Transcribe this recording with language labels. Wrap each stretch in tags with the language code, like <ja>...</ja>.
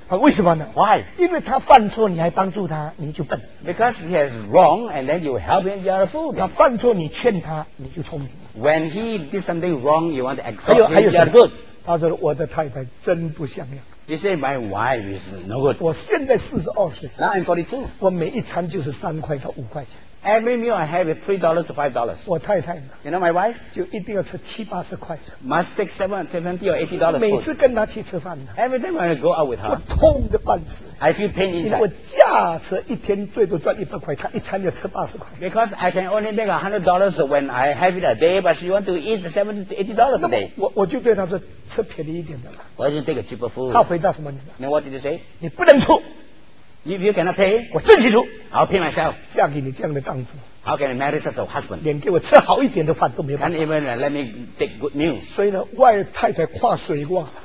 <zh>他为什么呢</zh> <en>？Why?</en> <zh>因为他犯错，你还帮助他，你就笨。</zh> <en>Because he has wrong, and then you help him, you are a fool.</en> <zh>他犯错，你劝他，你就聪明。</zh> <en>When he did something wrong, you want to exalt him, you are good.</en> <zh>他说我的太太真不像样。</zh> <en>He said, "My wife is no good."</en> <zh>我现在42岁。</zh> <en>Now I'm 42.</en> <zh>我每一餐就是3块到5块钱。</zh> <en>Every meal I have is $3 to $5.</en> <zh>我太太</zh> <en>You know my wife?</en> <zh>就一定要吃70-80块。</zh> <en>Must take $70 or $80.</en> <zh>每次跟她去吃饭。</zh> <en>Every time I go out with her,</en> <zh>我痛得半死。</zh> <en>I feel pain inside.</en> <zh>因为我驾车一天最多赚100块，她一餐要吃80块。</zh> <en>Because I can only make $100 when I have it a day, but she want to eat $70 to $80 a day.</en> <zh>我就对她说，吃便宜一点的了。</zh> <en>Why don't you take a cheaper food?</en> <zh>她回答什么？你知道</zh> <en>Then what did you say?</en> <zh>你不能出。</zh> <en>If you cannot pay,</en> <zh>我自己出</zh> <en>I'll pay myself.</en> <zh>嫁给你这样的丈夫</zh> <en>How can I marry such a husband?</en> <zh>连给我吃好一点的饭都没有办法</zh> <en>Can't even let me take good meals.</en> <zh>所以呢，外太太跨水过</zh>